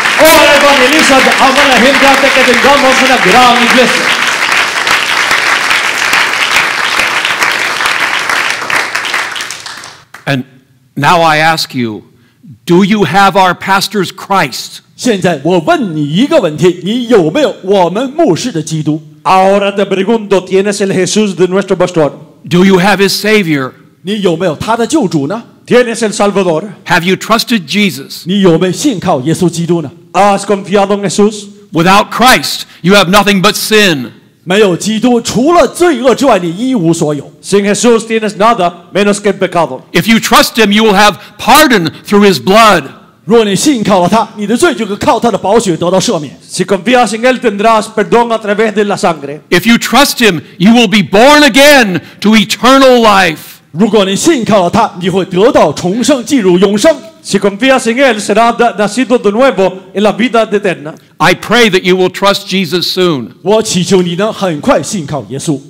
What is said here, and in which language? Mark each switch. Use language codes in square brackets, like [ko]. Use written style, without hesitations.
[es] Ora evangelizar, ama la gente hasta que tengamos una gran iglesia. [en] And now I ask you. Do you have our pastor's Christ? [zh] 现在我问你一个问题, 你有没有我们牧师的基督? [es] Ahora te pregunto, ¿tienes el Jesús de nuestro pastor? [en] Do you have his Savior? [zh] 你有没有他的救主呢? [es] ¿Tienes el Salvador? [en] Have you trusted Jesus? [zh] 你有没有信靠耶稣基督呢? [es] ¿Has confiado en Jesús? [en] Without Christ, you have nothing but sin. [zh] 没有基督,除了罪恶之外,你一无所有。 [es] Sin Jesús tienes nada menos que el pecado. [en] If you trust him, you will have pardon through his blood. [zh] 若你信靠了他,你的罪就靠他的宝血得到赦免。 [es] Si confías en él, tendrás perdón a través de la sangre. [en] If you trust him, you will be born again to eternal life. [zh] 如果你信靠了他,你会得到重生,进入永生。 [es] Si confías en él, serás nacido de nuevo en la vida eterna. [en] I pray that you will trust Jesus soon. [zh] 我祈求你能很快信靠耶稣。